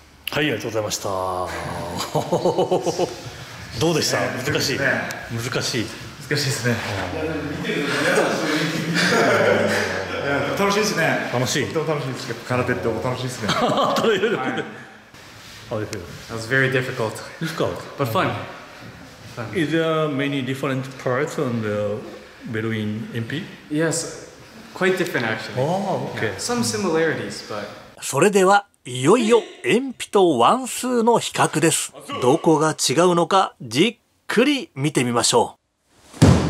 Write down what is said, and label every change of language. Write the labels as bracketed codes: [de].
[ja] はい、ありがとうございました。どうでした？難しい、難しいですね。難しい、難しいですね。楽しいですね。楽しい、とても楽しいですけど、空手って楽しいですね。楽しいです [en] ね。How do you feel? That was very difficult. Difficult? But fun. Is there many different parts on the Bedouin MP? Yes, quite different actually. Oh, okay. Some similarities, but... [ja] それではいよいよ円皮とワンスーの比較です。どこが違うのかじっくり見てみましょう。